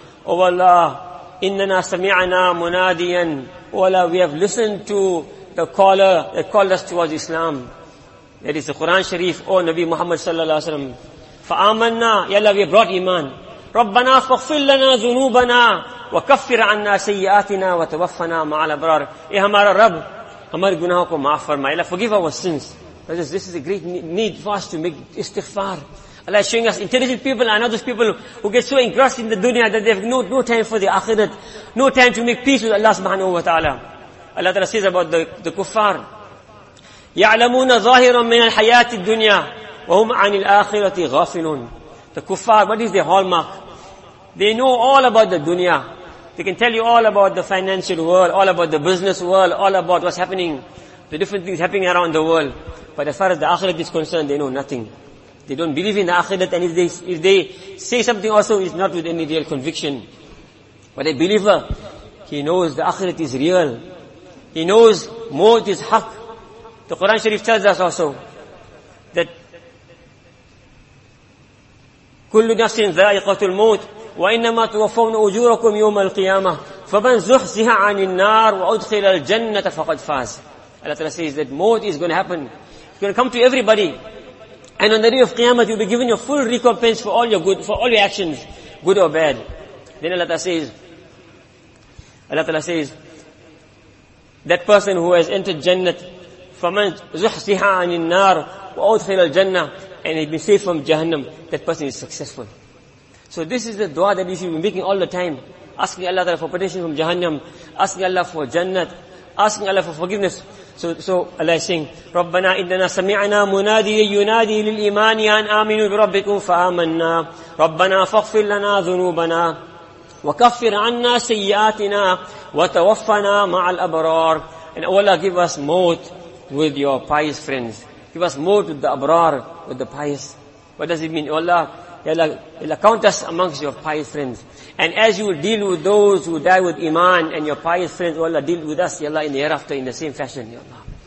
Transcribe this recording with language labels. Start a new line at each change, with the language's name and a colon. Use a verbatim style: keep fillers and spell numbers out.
English: O Allah,
Arabic: إِنَّنَا سَمِعَنَا مُنَادِيًا.
English: O Allah, we have listened to the caller that called us towards Islam. That is the Quran Sharif, O Nabi Muhammad sallallahu alaihi wasallam. فَآمَنَّا. Ya Allah, we have brought iman.
Arabic: رَبَّنَا فَاغْفِرْ لَنَا ذُنُوبَنَا وَكَفِّرْ عَنَّا سَيِّئَاتِنَا وَتَوَفَّنَا مَعَ الْأَبْرَارِ.
Urdu: Eh, ہمارا رب ہمارے گناہوں کو معاف فرمائے.
English: Allah, forgive our sins. Brothers, this is a great need for us to make istighfar. Allah is showing us intelligent people are not those people who get so engrossed in the dunya that they have no, no time for the akhirat, no time to make peace with Allah subhanahu wa ta'ala. Allah Ta'ala says about the, the kuffar,
Arabic: يَعْلَمُونَ ظَاهِرًا مِنَ الْحَيَاةِ الدُّنْيَا وَهُمْ عَنِ الْآخِرَةِ غَافِلُونَ.
English: The kuffar, what is their hallmark? They know all about the dunya. They can tell you all about the financial world, all about the business world, all about what's happening, the different things happening around the world. But as far as the akhirat is concerned, they know nothing. They don't believe in the akhirat, and if they, if they say something also, it's not with any real conviction. But a believer, he knows the akhirat is real. He knows maut is haq. The Quran Sharif tells us also that
Arabic: كُلُّ نَفْسٍ ذَائِقَةُ الْمَوْتِ وَإِنَّمَا تُوَفَّوْنَ أُجُورَكُمْ يَوْمَ الْقِيَامَةِ فَمَنْ زُحْزِحَ عَنِ النَّارِ وَأُدْخِلَ الْجَنَّةَ فَقَدْ فَازَ.
English: Allah Ta'ala says that maut is going to happen. It's going to come to everybody. And on the day of Qiyamah, you'll be given your full recompense for all your good, for all your actions, good or bad. Then Allah Ta'ala says, Allah Ta'ala says, that person who has entered Jannat,
Arabic: فَمَنْ زُحْزِحَ عَنِ النَّارِ وَأُدْخِلَ الْجَنَّةِ,
English: and he'll be saved from Jahannam, that person is successful. So this is the dua that we should be making all the time. Asking Allah Ta'ala for protection from Jahannam. Asking Allah for Jannat. Asking Allah for forgiveness. So, so Allah is saying,
Arabic: رَبَّنَا إِنَّنَا سَمِعْنَا مُنَادِيًا يُنَادِي لِلْإِيمَانِ أَنْ آمِنُوا بِرَبِّكُمْ فَآمَنَّا رَبَّنَا فَاغْفِرْ لَنَا ذُنُوبَنَا وَكَفِّرْ عَنَّا سَيِّئَاتِنَا وَتَوَفَّنَا مَعَ الْأَبْرَارِ.
English: And O Allah, give us maut with your pious friends. Give us maut with the abrar, with the pious. What does it mean? O Allah, Ya Allah, Ya Allah, count us amongst your pious friends. And as you deal with those who die with iman and your pious friends, O Allah, deal with us, Ya Allah, in the hereafter in the same fashion, Ya Allah.